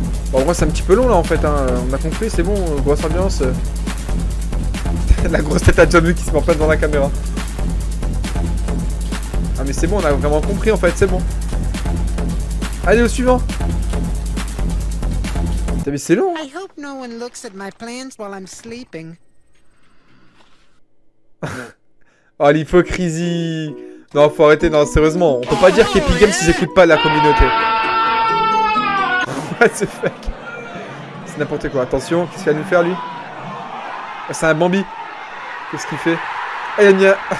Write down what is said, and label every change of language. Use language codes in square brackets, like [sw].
[fr] Bon, moi c'est un petit peu long là en fait, hein. On a compris, c'est bon, grosse ambiance. La grosse tête à John Wick qui se met en place devant la caméra. Ah mais c'est bon, on a vraiment compris en fait, c'est bon. Allez au suivant. T'as mais c'est long. [en] I hope no one looks at my plans while I'm sleeping. [fr] Oh l'hypocrisie. Non faut arrêter, non sérieusement, on peut pas dire qu'Epic Games ils écoutent pas la communauté. [en] What the fuck? [fr] C'est n'importe quoi, attention, qu'est-ce qu'il va nous faire lui? C'est un Bambi. Qu'est-ce qu'il fait? Ah il a mis un...